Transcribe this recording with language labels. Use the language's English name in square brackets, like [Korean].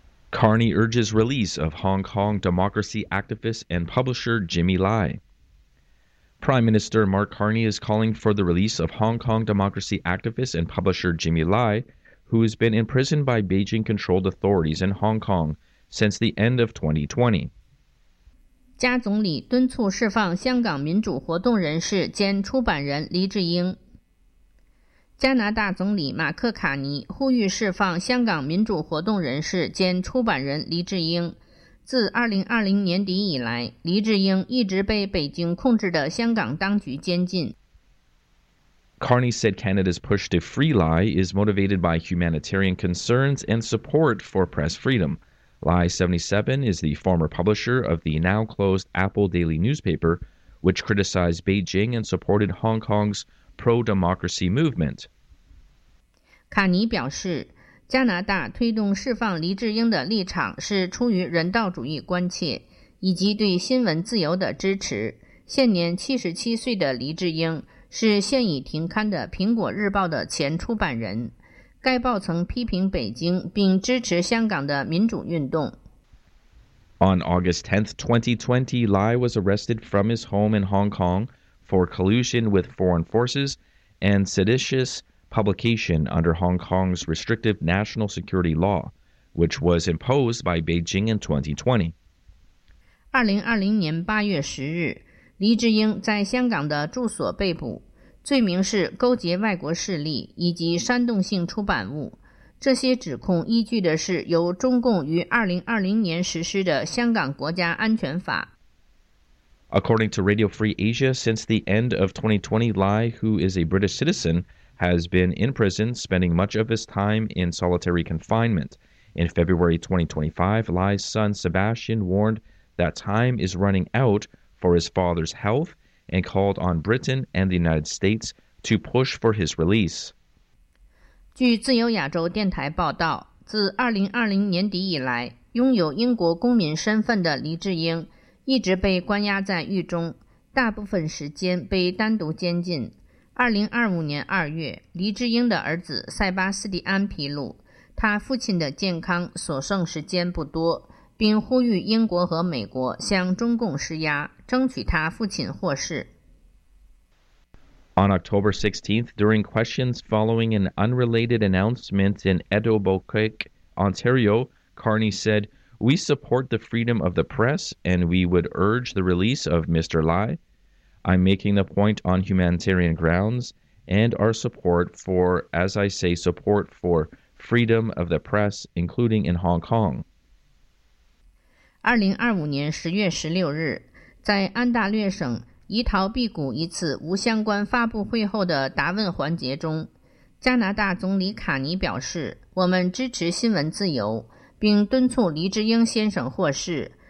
[English] Carney urges release of Hong Kong democracy activist and publisher Jimmy Lai. Prime Minister Mark Carney is calling for the release of Hong Kong democracy activist and publisher Jimmy Lai, who has been imprisoned by Beijing-controlled authorities in Hong Kong since the end of 2020. [Chinese] 加总理敦促释放香港民主活动人士兼出版人黎智英。加拿大总理马克卡尼呼吁释放香港民主活动人士兼出版人黎智英。自2020年底以来，黎智英一直被北京控制的香港当局监禁。 [English] Carney said Canada's push to free Lai is motivated by humanitarian concerns and support for press freedom. Lai 77 is the former publisher of the now-closed Apple Daily newspaper, which criticized Beijing and supported Hong Kong's pro-democracy movement. [Chinese] 卡尼表示，加拿大推动释放黎智英的立场是出于人道主义关切，以及对新闻自由的支持。现年77岁的黎智英是现已停刊的《苹果日报》的前出版人。该报曾批评北京并支持香港的民主运动。 [English] On August 10, 2020, Lai was arrested from his home in Hong Kong for collusion with foreign forces and seditious publication under Hong Kong's restrictive national security law, which was imposed by Beijing in 2020. [Chinese] 2020年8月10日，黎智英在香港的住所被捕。罪名是勾结外国势力以及煽动性出版物。这些指控依据的是由中共于2020年实施的香港国家安全法。 [English] According to Radio Free Asia, since the end of 2020, Lai, who is a British citizen, has been in prison, spending much of his time in solitary confinement. In February 2025, Lai's son Sebastian warned that time is running out for his father's health,and called on Britain and the United States to push for his release. [Chinese] 据自由亚洲电台报道，自2020年底以来，拥有英国公民身份的黎智英一直被关押在狱中，大部分时间被单独监禁。 2025年2月，黎智英的儿子塞巴斯蒂安披露，他父亲的健康所剩时间不多，并呼吁英国和美国向中共施压，争取他父亲获释。 [English] On October 16th, during questions following an unrelated announcement in Etobicoke, Ontario, Carney said, "We support the freedom of the press and we would urge the release of Mr. Lai. I'm making the point on humanitarian grounds and our support for, as I say, support for freedom of the press, including in Hong Kong." [Chinese] 2025年10月16日，在安大略省移逃辟谷一次无相关发布会后的答问环节中，加拿大总理卡尼表示，我们支持新闻自由，并敦促黎智英先生获释。